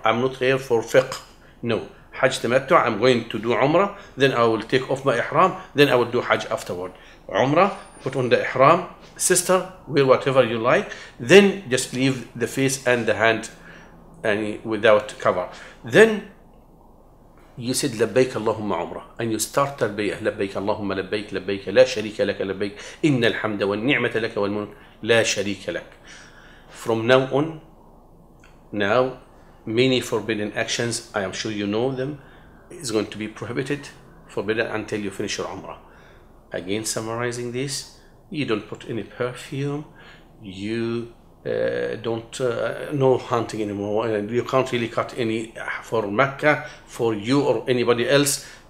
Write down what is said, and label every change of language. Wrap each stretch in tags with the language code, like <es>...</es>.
<en>I'm not here for fiqh. No. Hajj Tamattu', I'm going to do Umrah. Then I will take off my ihram. Then I will do Hajj afterward. Umrah, put on the ihram. Sister, wear whatever you like. Then just leave the face and the hand and without cover. Then you said</en> <ar>لبيك اللهم عمره,</ar> <en>and you start</en> <ar>تلبية لبيك اللهم لبيك لبيك لا شريك لك لبيك إن الحمد والنعمة لك والمنك لا شريك لك.</ar> <en>From now on, now many forbidden actions, I am sure you know them, is going to be prohibited, forbidden until you finish your عمره. Again summarizing this, you don't put any perfume, you no hunting anymore, and you can't really cut any for Mecca, for you or anybody else.</en>